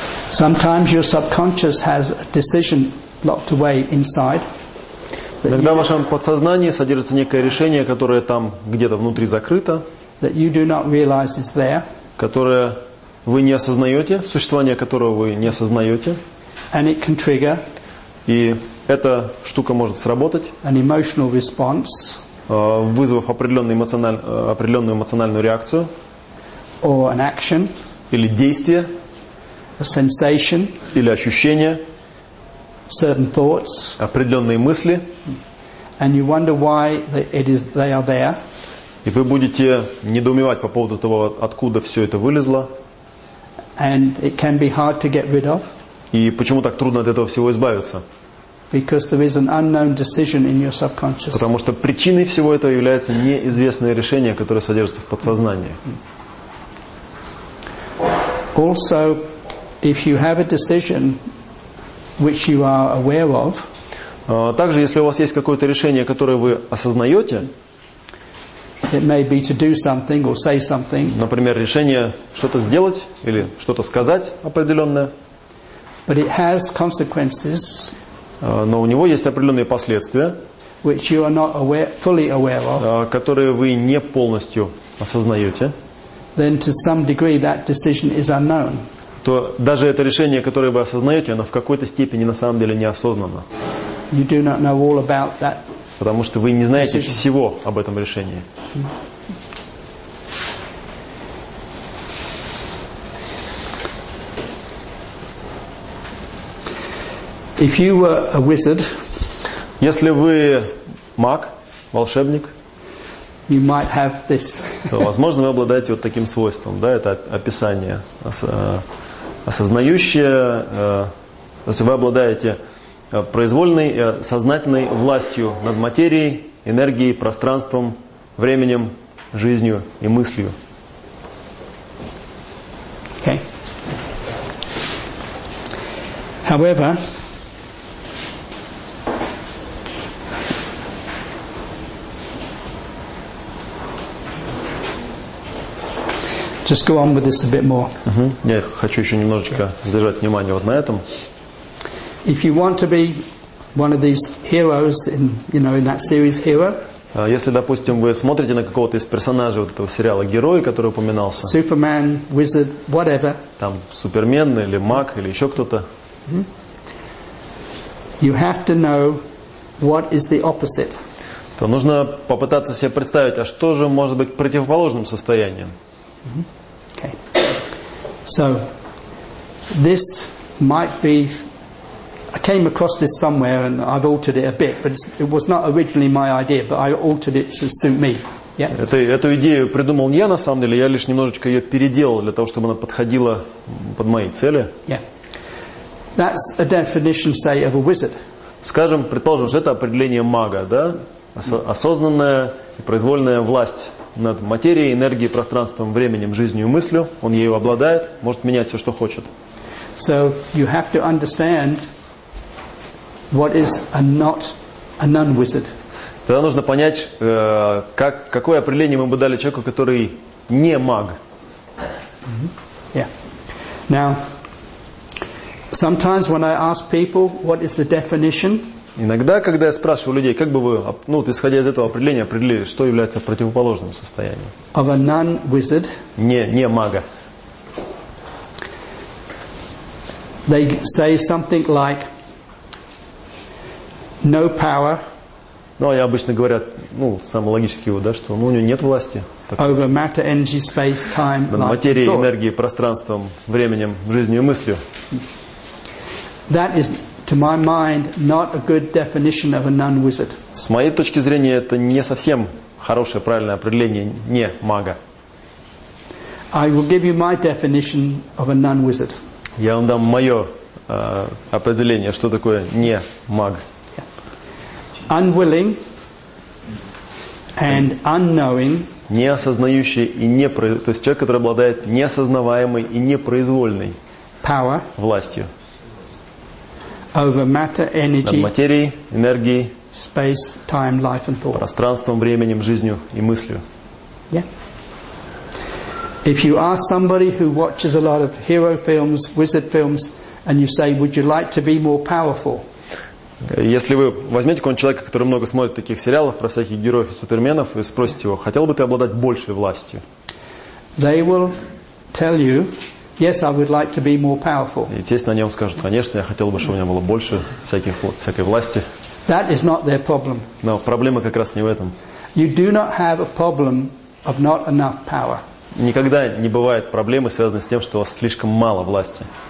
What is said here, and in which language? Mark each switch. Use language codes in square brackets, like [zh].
[en] Sometimes your subconscious has a decision locked away inside. [ru] Иногда в вашем подсознании содержится некое решение, которое там где-то внутри закрыто. [en] That you do not realize is there. [ru] Которое вы не осознаете, существование которого вы не осознаете. [en] And it can trigger. [ru] И эта штука может сработать. [en] An emotional response. [ru] Вызвав определенную эмоциональную реакцию. [en] Or an action. [ru] Или действие. [en] A sensation, [ru] или ощущение, [en] certain thoughts, [ru] определенные мысли, [en] and you wonder why they are there, [ru] и вы будете недоумевать по поводу того, откуда все это вылезло, [en] and it can be hard to get rid of, [ru] и почему так трудно от этого всего избавиться, [en] because there is an unknown decision in your subconscious, [ru] потому что причиной всего этого является неизвестное решение, которое содержится в подсознании. [en] Also, if you have a decision which you are aware of, [ru] также если у вас есть какое-то решение, которое вы осознаете, [en] it may be to do something or say something, [ru] например, решение что-то сделать или что-то сказать определенное, [en] but it has consequences, [ru] но у него есть определенные последствия, [en] which you are not fully aware of, [ru] которые вы не полностью осознаете, [en] then to some degree that decision is unknown. [ru] То даже это решение, которое вы осознаете, оно в какой-то степени на самом деле неосознанно. [en] You do not know all about that. [ru] Потому что вы не знаете decision. Всего об этом решении. [en] If you were a wizard, [ru] если вы маг, волшебник, [en] you might have this. [ru] То, возможно, вы обладаете вот таким свойством. Да, это описание. Осознающее, то есть вы обладаете произвольной, сознательной властью над материей, энергией, пространством, временем, жизнью и мыслью. [en] Okay. However, just go on with this a bit more. [ru] Я хочу еще немножечко задержать внимание вот на этом. [en] If you want to be one of these heroes in, you know, in that series Hero. [ru] Если, допустим, вы смотрите на какого-то из персонажей вот этого сериала Герои, который упоминался. [en] Superman, Wizard, whatever. [ru] Там Супермен или Маг или еще кто-то. [en] You have to know what is the opposite. [ru] То нужно попытаться себе представить, а что же может быть противоположным состоянием? [en] Okay. So this might be. I came across this somewhere and I've altered it a bit, but it was not originally my idea, but I altered it to suit me. Yeah. [ru] Эту идею придумал не я на самом деле, я лишь немножечко ее переделал для того, чтобы она подходила под мои цели. [en] Yeah. That's a definition, say, of a wizard. [ru] Скажем, предположим, что это определение мага, да? Осознанная и произвольная власть над материей, энергией, пространством, временем, жизнью и мыслью. Он ею обладает, может менять все, что хочет. [en] So you have to understand what is a not a non-wizard. [ru] Тогда нужно понять, какое определение мы бы дали человеку, который не маг. [en] Yeah. Now, sometimes when I ask people what is the definition. [ru] Иногда, когда я спрашиваю людей, как бы вы, ну, исходя из этого определения, определили, что является противоположным состоянием. [en] Of a non-wizard. [ru] Не мага. [en] They say something like. No power. [ru] Ну, они обычно говорят, ну, самый логический вывод, да, что, ну, у него нет власти. [en] Over matter, energy, space, time, life, thought. [ru] Материей, энергией, пространством, временем, жизнью и мыслью. [en] That is, to my mind, not a good definition of a non-wizard. [ru] С моей точки зрения, это не совсем хорошее, правильное определение не мага. [en] I will give you my definition of a non-wizard. [ru] Я вам дам мое определение, что такое не маг. [en] Unwilling and unknowing. [ru] Неосознающий и не то есть человек, который обладает неосознаваемой и непроизвольной [en] power [ru] властью. [en] Over matter, energy, [ru] над материей, энергией, [en] space, time, life and thought. [ru] Пространством, временем, жизнью и мыслью. [en] Yeah. If you ask somebody who watches a lot of hero films, wizard films, and you say, would you like to be more powerful? [ru] Если вы возьмете какого-нибудь человека, который много смотрит таких сериалов про всяких героев и суперменов, и спросите его, хотел бы ты обладать большей властью? [en] They will tell you, yes, I would like to be more powerful. [ru] И естественно, они вам скажут, конечно, я хотел бы, чтобы у меня было больше всякой власти. [en] That is not their problem. [ru] Но проблема как раз не в этом. [en] You do not have a problem of not enough power. [ru] Никогда не бывает проблемы, связанной с тем, что у вас слишком мало власти.